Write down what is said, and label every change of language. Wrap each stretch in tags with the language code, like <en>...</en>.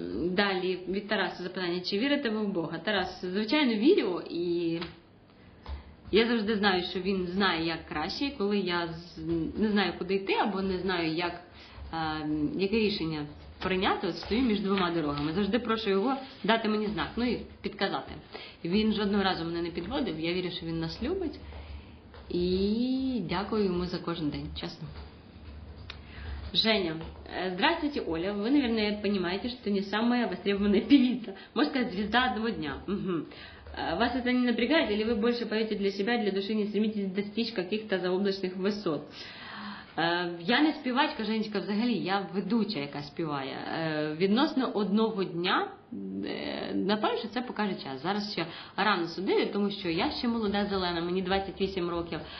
<uk>Далі від Тараса запитання, чи вірите ви в Бога? Тарас, звичайно, вірю, і я завжди знаю, що він знає, як краще, коли я не знаю, куди йти, або не знаю, яке рішення прийняти, от стою між двома дорогами. Завжди прошу його дати мені знак, ну і підказати. Він жодного разу мене не підводив, я вірю, що він нас любить, і дякую йому за кожен день, чесно.</uk> <ru>Женя, здравствуйте, Оля. Вы, наверное, понимаете, что не самая востребованная певица. Можно сказать, звезда одного дня. Угу. Вас это не напрягает, или вы больше поете для себя, для души, не стремитесь достичь каких-то заоблачных высот?</ru> <uk>Я не співачка, Женечка, взагалі, я ведуча, яка співає. Відносно одного дня, напевно, що це покаже час. Зараз ще рано судити, тому що я ще молода, зелена, мені 28 років.</uk>